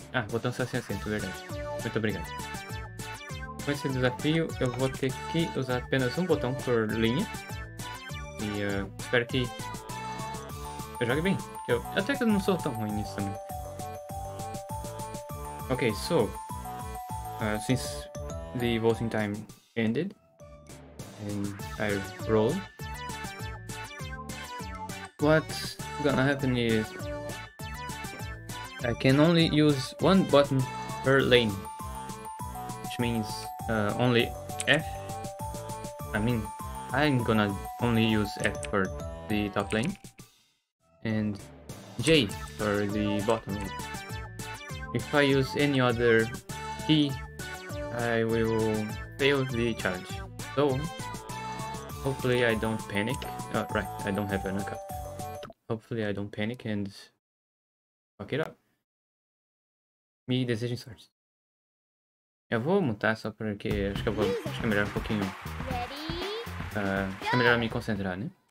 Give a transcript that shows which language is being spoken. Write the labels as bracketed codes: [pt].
[pt] botão 600, verdade. Muito obrigado. Com esse desafio eu vou ter que usar apenas um botão por linha. E espero que eu jogue bem. Até que eu não sou tão ruim nisso também. [en] Ok, so... since the voting time ended and I rolled, what's gonna happen is I can only use one button per lane, which means only F. I mean, I'm gonna only use F for the top lane and J for the bottom lane. If I use any other key, I will fail the challenge. So, hopefully I don't panic. Oh, right, I don't have an account. Hopefully I don't panic and fuck it up. [pt] Me desejo sorte. Eu vou mutar só porque acho que eu vou. Acho que é melhor um pouquinho. Acho que é melhor me concentrar, né?